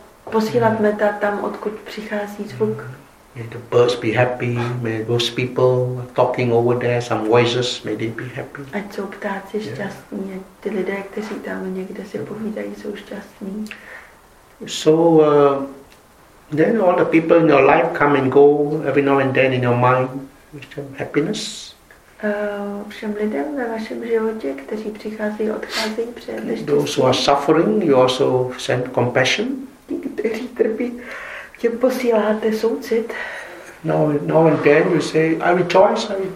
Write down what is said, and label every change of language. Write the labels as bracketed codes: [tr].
[cs] Posílat metta tam, odkud přichází zvuk. [en] May the birds be happy, may those people talking over there, some voices, may they be happy. [cs] Ať jsou ptáci šťastní, ty lidé, kteří tam někde si povídají, jsou šťastní. [en] So, then all the people in your life come and go, every now and then in your mind, with some happiness. [cs] Všem lidem ve vašem životě, kteří přichází, odcházejí, přejete štěstí. [en] Those who are suffering, you also send compassion. [cs] Ti, kteří trpí. Tím posíláte soucit. [en] No, no, and then you say, I rejoice.